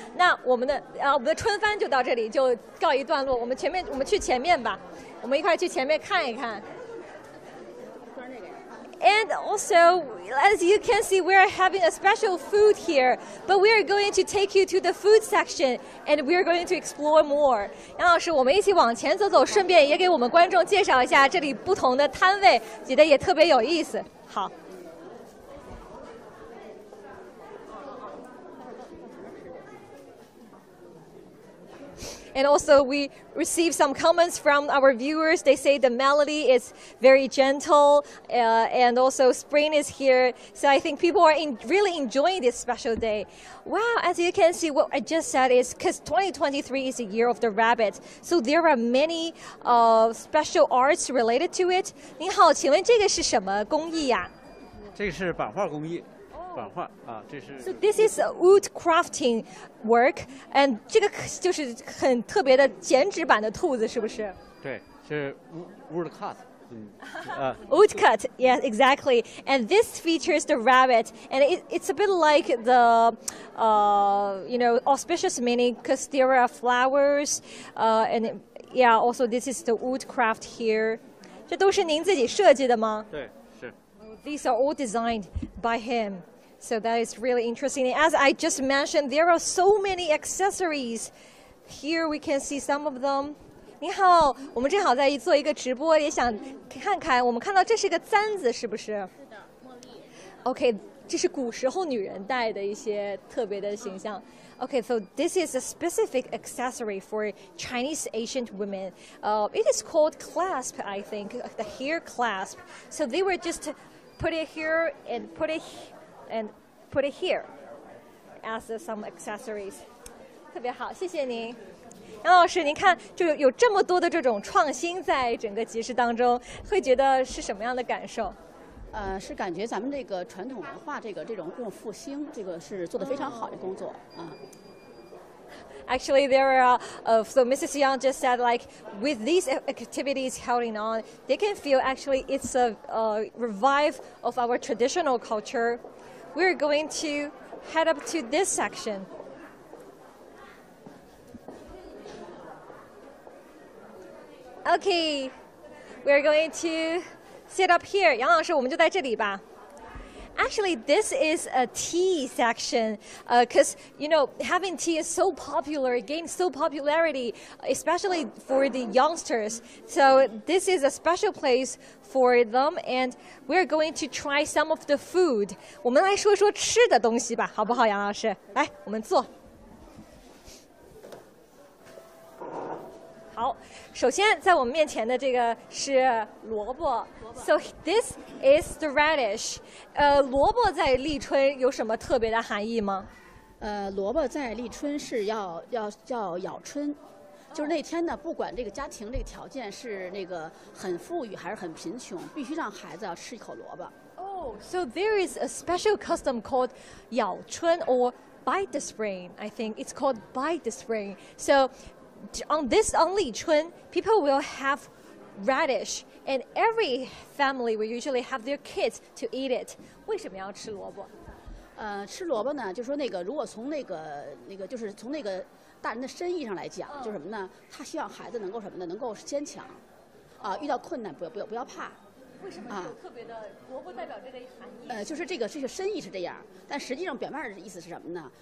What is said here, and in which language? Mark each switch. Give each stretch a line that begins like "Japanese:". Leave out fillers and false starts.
Chinese: 那我们的春帆就到这里，就告一段落。我们去前面吧，我们一块去前面看一看。
English: And also, as you can see, we are having a special food here. But we are going to take you to the food section, and we are going to explore more.
Chinese: 杨老师，我们一起往前走走，顺便也给我们观众介绍一下这里不同的摊位，觉得也特别有意思。好。
English: And also we received some comments from our viewers. They say the melody is very gentle, and also spring is here. So I think people are really enjoying this special day. Wow, as you can see, what I just said is because 2023 is the year of the rabbit. So there are many special arts related to it.
Chinese: 您好，请问这个是什么工艺呀？这是版画工艺。版画啊，这是。
English: So this is a wood crafting work, and
Chinese: 这个就是很特别的剪纸版的兔子，是不是？对，是
English: wood cut. Wood cut, yeah, exactly. And this features the rabbit, and it's a bit like the, you know, auspicious meaning, because there are flowers, and it, yeah, also this is the wood craft here.
Chinese: 这都是您自己设计的吗？对，是。
English: These are all designed by him. So that is really interesting. As I just mentioned, there are so many accessories. Here we can see some of them.
Chinese: 你好，我们正好在做一个直播，也想看看。我们看到这是一个簪子，是不是？是的，茉莉。 Okay, 这是古时候女人戴的一些特别的形象。
English: Okay, so this is a specific accessory for Chinese ancient women. It is called clasp, I think, the hair clasp. So they were just put it here and put it here as some accessories.
Chinese: 特别好，谢谢您，杨老师。您看，就有这么多的这种创新在整个集市当中，会觉得是什么样的感受？是感觉咱们这个传统文化这种复兴，这个是做得非常好的工作啊。
English: Actually, there are, so Mrs. Yang just said, like, with these activities holding on, they can feel actually it's a revive of our traditional culture. We're going to head up to this section. Okay, we're going to sit up here.
Chinese: Yang 老师，我们就在这里吧。
English: Actually, this is a tea section because, you know, having tea is so popular, it gained so popularity, especially for the youngsters. So this is a special place for them, and we're going to try some of the food.
Chinese: 我们来说说吃的东西吧，好不好，杨老师？来，我们坐。好，首先在我们面前的这个是萝卜。
English: So this is the radish.
Chinese: 萝卜在立春有什么特别的含义吗？萝卜在立春是要咬春，就是那天呢，不管这个家庭这个条件是那个很富裕还是很贫穷，必须让孩子要吃一口萝卜。
English: So there is a special custom called 咬春 or bite the spring. I think it's called bite the spring. So on Lichun, people will have radish. And every family will usually have their kids to eat it.
Chinese: 为什么要吃萝卜？吃萝卜呢，就是说那个，如果从那个，就是从那个大人的身意上来讲，就是什么呢？他希望孩子能够什么呢？能够坚强，遇到困难不要怕。为什么有特别的萝卜代表这个含义？就是这个身意是这样，但实际上表面的意思是什么呢？